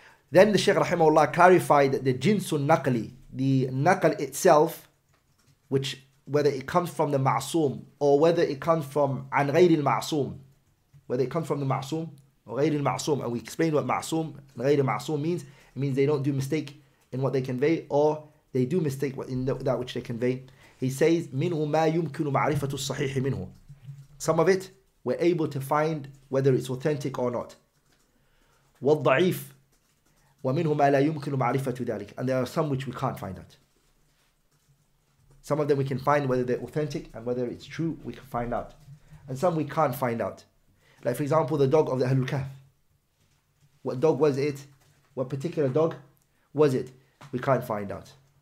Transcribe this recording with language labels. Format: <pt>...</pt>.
<en>Then the Shaykh rahimahullah clarified that the jinsun naqli, the naql itself, which whether it comes from the ma'asum or whether it comes from an ghayri al-ma'asum, whether it comes from the ma'asum or ghayri al-ma'asum, and we explain what ma'asum and ghayri al-ma'asum means. It means they don't do mistake in what they convey, or they do mistake in that which they convey. He says,</en> <ar>minhu ma yumkinu ma'rifatu sahihi minhu.</ar> <en>Some of it, we're able to find whether it's authentic or not.</en> <ar>والضعيف ومنهم ما لا يمكن معرفة ذلك.</ar> <en>And there are some which we can't find out. Some of them we can find whether they're authentic, and whether it's true we can find out. And some we can't find out. Like for example, the dog of the Ahlul Kahf. What dog was it? What particular dog was it? We can't find out.</en>